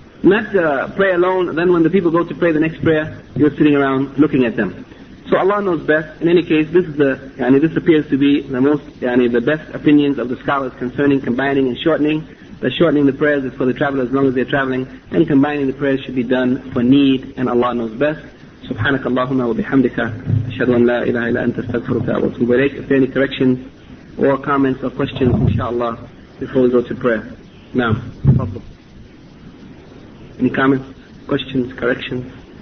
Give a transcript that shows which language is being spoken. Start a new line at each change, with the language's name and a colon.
English: Not pray alone, then when the people go to pray the next prayer, you're sitting around looking at them. So Allah knows best. In any case, this appears to be the best opinions of the scholars concerning combining and shortening. The shortening the prayers is for the traveler as long as they're traveling, and combining the prayers should be done for need, and Allah knows best.
Arabic: سبحانك اللهم وبحمدك أشهد أن لا إله إلا أنت استغفرك وأتوب إليك.
English: If there are any corrections or comments or questions, inshallah, before we go to prayer. Now, تفضل. Any comments, questions, corrections?